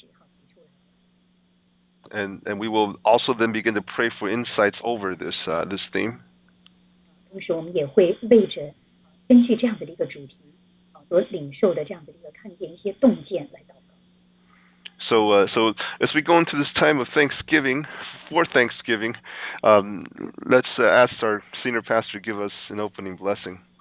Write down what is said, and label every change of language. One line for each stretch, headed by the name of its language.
Chinese: 那另外我们也会分享一下明年的主题，是开始提出来。And
English: we will also then begin to pray for insights over this this theme.
Chinese: 同时，我们也会为着根据这样子的一个主题，所领受的这样子的一个看见一些洞见来祷告。So
English: so as we go into this time of Thanksgiving, for Thanksgiving, let's ask our senior pastor to give us an opening blessing.